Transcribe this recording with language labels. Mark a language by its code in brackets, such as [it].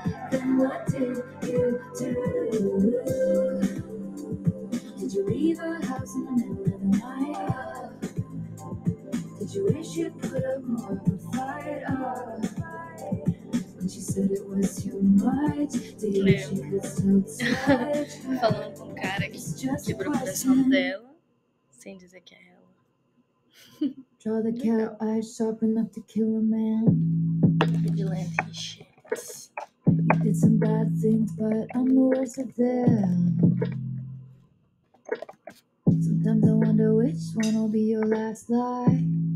[en] Then what did you do? Did you leave her house in the middle of the night? Did you wish you'd put up more of a fight? When she said it was too much, [pt] Falando com um cara que quebrou o coração dela, sem dizer que é ela. [en] Draw the cat eyes sharp enough to kill a man. Vigilante e shit. You did some bad things, but I'm the worst of them. Sometimes I wonder which one will be your last lie.